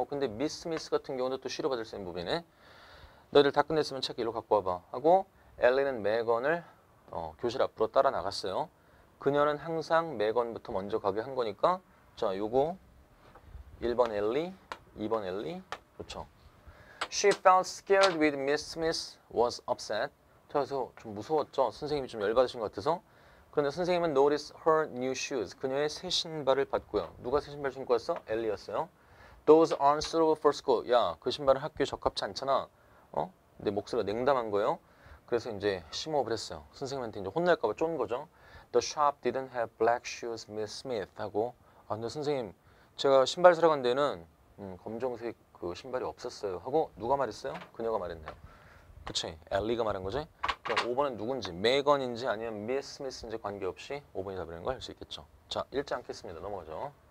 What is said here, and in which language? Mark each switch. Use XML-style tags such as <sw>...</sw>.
<ko>근데 미스 같은 경우도 또 치료 받을 수 있는 부분이네. 너희들 다 끝냈으면 책 일로 갖고 와봐 하고 엘리는 메건을 교실 앞으로 따라 나갔어요. 그녀는 항상 메건부터 먼저 가게 한 거니까 자 요거 1번 엘리 2번 엘리 그렇죠.</ko> <en>She felt scared with Miss Smith was upset.</en> <ko>그래서 좀 무서웠죠. 선생님이 좀 열받으신 것 같아서. 그런데 선생님은</ko> <en>notice her new shoes.</en> <ko>그녀의 새 신발을 봤고요. 누가 새 신발 신고 왔어? 엘리였어요.</ko> <en>Those aren't suitable for school.</en> <ko>야, 그 신발은 학교에 적합치 않잖아. 내 목소리가 냉담한 거예요. 그래서 이제 심호흡을 했어요. 선생님한테 이제 혼날까 봐 쫀 거죠.</ko> <en>The shop didn't have black shoes, Miss Smith.</en> <ko>하고 근데 선생님, 제가 신발 사러 간 데는 검정색 그 신발이 없었어요. 하고 누가 말했어요? 그녀가 말했네요. 그치, 엘리가 말한 거지. 5번은 누군지, 메건인지 아니면 미스 스미스인지 관계없이 5번이 답이라는 걸 알 수 있겠죠. 자, 읽지 않겠습니다. 넘어가죠.</ko>